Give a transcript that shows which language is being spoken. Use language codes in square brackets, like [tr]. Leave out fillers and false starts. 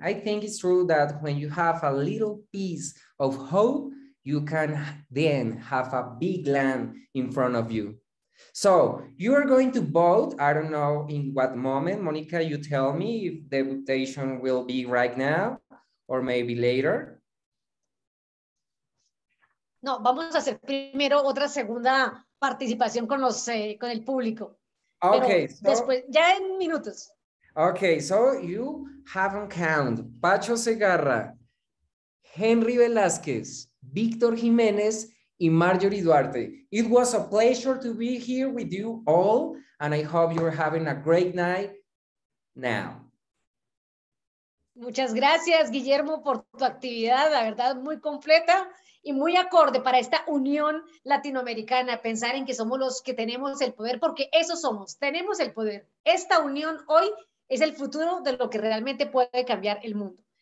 [en] I think it's true that when you have a little piece of hope, you can then have a big land in front of you. So you are going to vote. I don't know in what moment. Monica, you tell me if the votation will be right now or maybe later. [es] No, vamos a hacer primero otra segunda participación con los con el público. [en] Okay. [es] Pero so, después, ya en minutos. [en] Okay, so you haven't counted. Pacho Segarra, Henry Velázquez, Víctor Jiménez, and Marjorie Duarte. It was a pleasure to be here with you all, and I hope you're having a great night now. [es] Muchas gracias, Guillermo, por tu actividad, la verdad, muy completa y muy acorde para esta unión latinoamericana, pensar en que somos los que tenemos el poder, porque eso somos, tenemos el poder. Esta unión hoy es el futuro de lo que realmente puede cambiar el mundo.